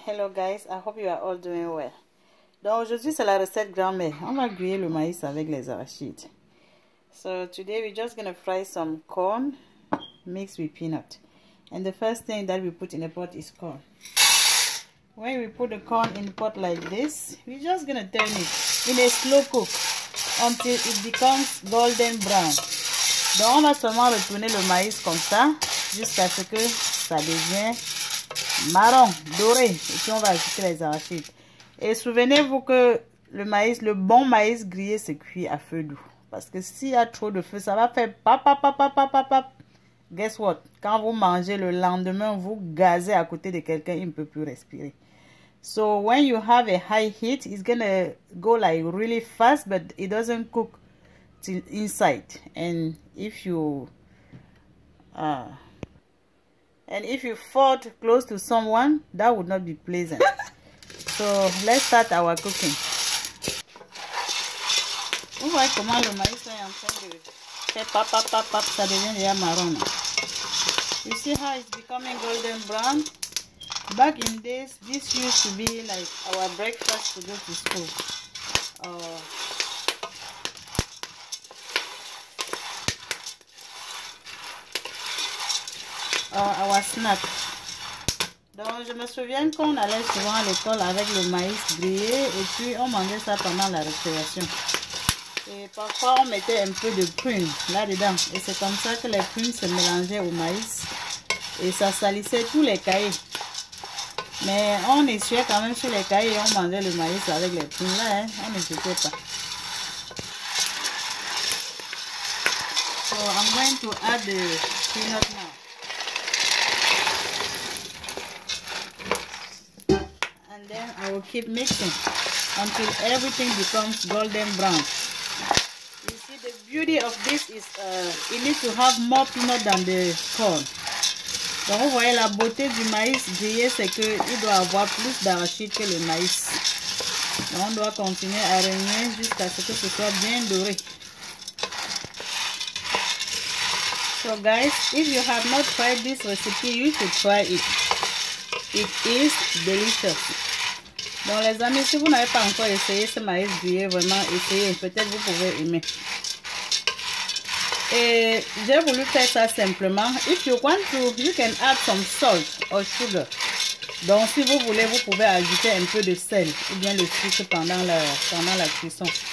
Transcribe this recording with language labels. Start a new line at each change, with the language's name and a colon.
English: Hello guys, I hope you are all doing well.
French: Donc aujourd'hui c'est la recette grand-mère. On va griller le maïs avec les arachides.
English: So today we're just gonna fry some corn mixed with peanut. And the first thing that we put in the pot is corn. When we put the corn in the pot like this, we're just gonna turn it in a slow cook until it becomes golden brown.
French: Donc on va seulement retourner le maïs comme ça. Jusqu'à ce que ça devienne marron, doré. Et puis on va ajouter les arachides. Et souvenez-vous que le maïs, le bon maïs grillé, se cuit à feu doux. Parce que s'il y a trop de feu, ça va faire pap, pap, pap, pap, pap, pap, pap.
English: Guess what?
French: Quand vous mangez le lendemain, vous gazez à côté de quelqu'un, il ne peut plus respirer.
English: So when you have a high heat, it's gonna go like really fast, but it doesn't cook till inside. And if you... And if you fought close to someone, that would not be pleasant. So let's start our cooking.
French: Vous voyez comment le maïs est en train de faire pap, pap, pap, pap, ça devient déjà marron.
English: You see how it's becoming golden brown? Back in days, this used to be like our breakfast to go to school. Our snack.
French: Donc, je me souviens qu'on allait souvent à l'école avec le maïs grillé et puis on mangeait ça pendant la récréation. Et parfois, on mettait un peu de prune là-dedans. Et c'est comme ça que les prunes se mélangeaient au maïs et ça salissait tous les cahiers. Mais on essuyait quand même sur les cahiers et on mangeait le maïs avec les prunes là, hein. On ne jetait pas.
English: So, I'm going to add the peanut now. I will keep mixing until everything becomes golden brown. You see, the beauty of this is it needs to have more peanut than the corn.
French: Donc, vous voyez, la beauté du maïs grillé, c'est qu'il doit avoir plus d'arachide que le maïs. Donc, on doit continuer à remuer jusqu'à ce que ce soit bien doré.
English: So, guys, if you have not tried this recipe, you should try it. It is delicious.
French: Bon les amis, si vous n'avez pas encore essayé ce maïs grillé, vraiment essayez, peut-être vous pouvez aimer. Et j'ai voulu faire ça simplement.
English: If you want to, you can add some salt or sugar.
French: Donc si vous voulez, vous pouvez ajouter un peu de sel ou bien le sucre pendant la cuisson.